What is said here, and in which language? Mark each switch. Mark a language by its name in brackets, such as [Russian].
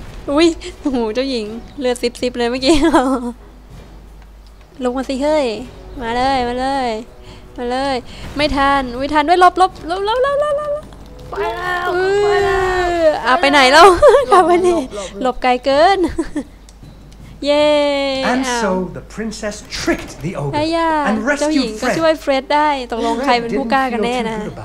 [Thai] อุ้ยหูเจ้าหญิงเลือดซิบซิบเลยเมื่อกี้ลงมาสิเฮ้ยมาเลยมาเลยมาเลยไม่ทันอุ้ยทันด้วยลบลบลบลบลบลบ ไปแล้ว อือไปไหนแล้วกลับมาดิหลบไกลเกินเย้ [English] and so the princess tricked the ogre and rescued Fred [Thai] เจ้าหญิ งก็ช่วยเฟรดได้ตกลงใครเป็นผู้กล้ากันแน่นะ